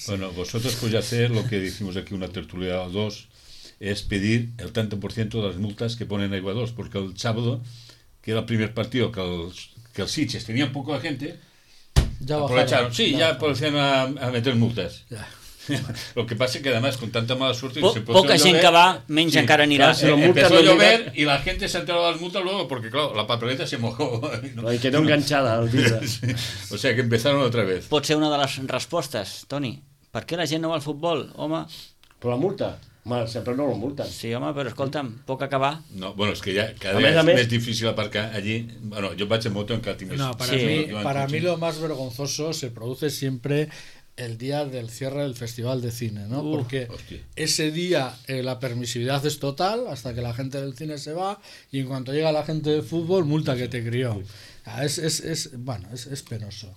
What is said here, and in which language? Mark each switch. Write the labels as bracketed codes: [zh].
[es] Bueno, vosotros podéis hacer lo que decimos aquí, una tertulia o dos, es pedir el tanto por ciento de las multas que ponen a Iguadors, porque el sábado, que era el primer partido que el Sitges tenía poca gente, ya aprovecharon, bajaron, sí, ya aprovecharon a meter multas. Ya. Lo que pasa es que además con tanta mala suerte [ca] poca gent que va, menys sí, encara anirà, [es] si empezó a llover [ca] i la gent s'ha enterat de les multes [es] luego, porque claro, la papeleta se mojó, [ca] no, i quedó enganxada al vidre. [es] Sí, o sea que empezaron otra vez. [ca] Pot ser una de les respostes, Toni, per què la gent no va al futbol, home? Però la multa, home, sempre no la multen. Sí, home, però escolta'm, poc acabar. No, bueno, és que ja cada vegada és més difícil aparcar allí. Bueno, jo vaig en moto encara tinc més. [es] No, per sí, a mi lo más vergonzoso se produce siempre el día del cierre del festival de cine, ¿no? Porque ese día la permisividad es total hasta que la gente del cine se va y en cuanto llega la gente del fútbol, multa que te crió. Es penoso.